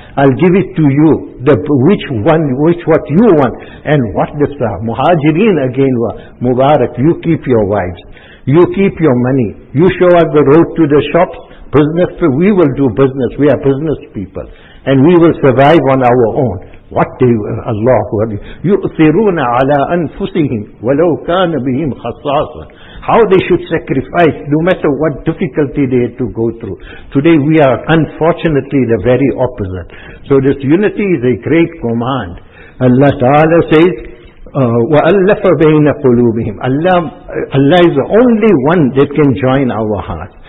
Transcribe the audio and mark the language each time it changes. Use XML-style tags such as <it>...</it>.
<en>I'll give it to you. What you want. And what the Muhajirin again were, Mubarak, you keep your wives. You keep your money. You show us the road to the shops. Business, we will do business. We are business people. And we will survive on our own. What do you, Allah,</en> <ar>يُؤْثِرُونَ عَلَىٰ أَنفُسِهِمْ وَلَوْ كَانَ بِهِمْ خَصَاصًا.</ar> <en>How they should sacrifice, no matter what difficulty they had to go through. Today we are unfortunately the very opposite. So this unity is a great command. Allah Ta'ala says,</en> <ar>وألف بين قلوبهم.</ar> <en>Allah is the only one that can join our heart.</en>